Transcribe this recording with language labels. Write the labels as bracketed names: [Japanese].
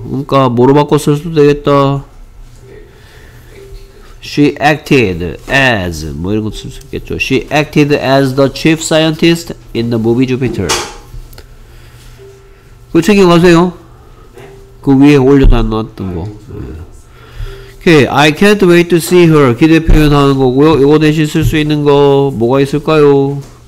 [Korean] 그러니까 뭐로 바꿨을 수도 되겠다. [English] She acted as [Korean] 뭐 이런 것도 쓸 수 있겠죠. [English] She acted as the chief scientist in the movie Jupiter. [Korean] 그거 챙겨가세요. 그 위에 올려도 안 나왔던 거. [English] Okay, I can't wait to see her. [Korean] 기대 표현하는 거고요. 이거 대신 쓸 수 있는 거 뭐가 있을까요?